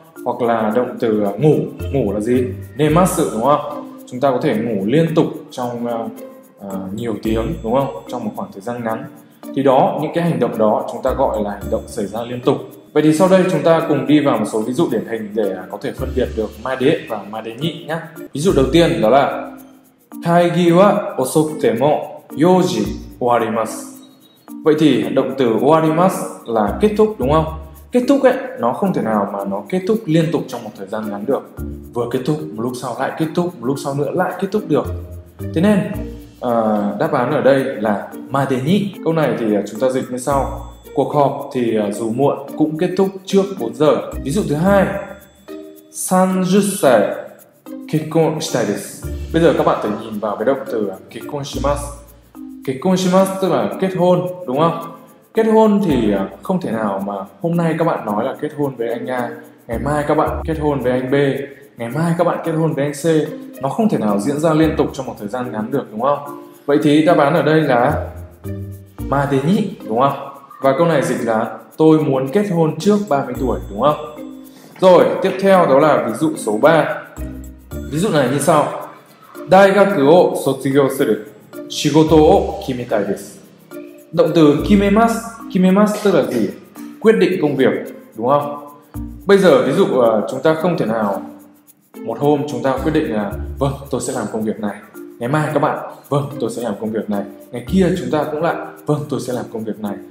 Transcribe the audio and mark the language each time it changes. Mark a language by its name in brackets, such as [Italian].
[Vietnamese] Hoặc là động từ ngủ, ngủ là gì? Nemasu đúng không? Chúng ta có thể ngủ liên tục trong nhiều tiếng đúng không? Trong một khoảng thời gian ngắn. Thì đó, những cái hành động đó chúng ta gọi là hành động xảy ra liên tục. Vậy thì sau đây chúng ta cùng đi vào một số ví dụ điển hình để có thể phân biệt được ma đế và ma đế nhị nhé. Ví dụ đầu tiên đó là [Japanese] 会議は遅くても4時終わります。 [Vietnamese] Vậy thì động từ 終わります là kết thúc đúng không? Kết thúc ấy, nó không thể nào mà nó kết thúc liên tục trong một thời gian ngắn được. Vừa kết thúc, một lúc sau lại kết thúc, một lúc sau nữa lại kết thúc được. Thế nên, đáp án ở đây là ma đế nhị. Câu này thì chúng ta dịch như sau. Cuộc họp thì dù muộn cũng kết thúc trước 4 giờ. Ví dụ thứ hai, [Japanese] 30 歳結婚したいです。 [Vietnamese] Bây giờ các bạn thử nhìn vào cái động từ 結婚します. 結婚します tức là kết hôn, đúng không? Kết hôn thì không thể nào mà hôm nay các bạn nói là kết hôn với anh A, ngày mai các bạn kết hôn với anh B, ngày mai các bạn kết hôn với anh C. Nó không thể nào diễn ra liên tục trong một thời gian ngắn được, đúng không? Vậy thì đáp án ở đây là ma đế nhị, đúng không? Và câu này dịch là tôi muốn kết hôn trước 30 tuổi, đúng không? Rồi, tiếp theo đó là ví dụ số 3. Ví dụ này như sau. [Japanese] 大学を卒業する仕事を決めたいです。 [Vietnamese] Động từ 決めます。 決めます tức là gì? Quyết định công việc, đúng không? Bây giờ ví dụ chúng ta không thể nào một hôm chúng ta quyết định là vâng, tôi sẽ làm công việc này. Ngày mai các bạn, vâng, tôi sẽ làm công việc này. Ngày kia chúng ta cũng lại, vâng, tôi sẽ làm công việc này.